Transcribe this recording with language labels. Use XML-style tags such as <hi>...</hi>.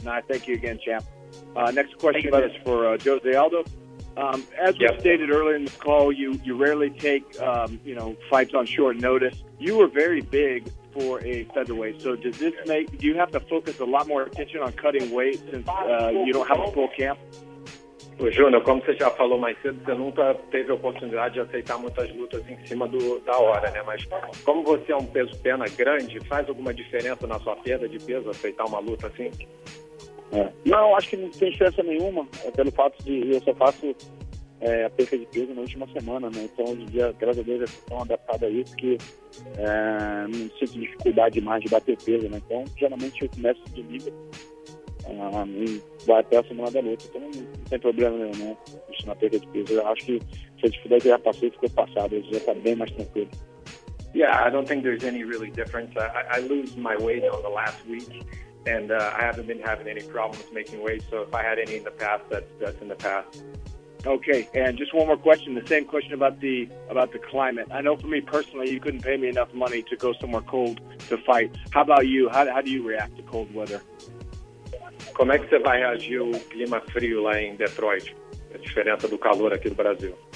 <en>And I thank you again, champ. Next question is for Jose Aldo. As we stated earlier in this call, you rarely take fights on short notice. You were very big for a featherweight. So does this make, do you have to focus a lot more attention on cutting weight since you don't have a full camp?</en> <pt>Pois, Júnior, como você já falou mais cedo, você nunca teve a oportunidade de aceitar muitas lutas em cima da hora, né? Mas como você é um peso-pena grande, faz alguma diferença na sua perda de peso aceitar uma luta assim? Não, acho que não tem diferença nenhuma, pelo fato de eu só faço a perda de peso na última semana, né? Então, hoje em dia, graças a Deus, eu estou tão adaptado a isso que não sinto dificuldade mais de bater peso, né? Então, geralmente, eu começo de liga e vai até a semana da luta. Então, não tem problema nenhum, né? Isso na perda de peso. Eu acho que se a dificuldade que eu já passei ficou passada, hoje já está bem mais tranquilo.</pt> <en>Yeah, I don't think there's any really difference. I lose my weight on the last week. And I haven't been having any problems making weight. So if I had any in the past, that's in the past. Okay. And just one more question. The same question about the climate. I know for me personally, you couldn't pay me enough money to go somewhere cold to fight. How about you? How do you react to cold weather?</en> <pt>Como é que você vai reagir ao clima frio lá em Detroit? A diferença do calor aqui do Brasil.</pt>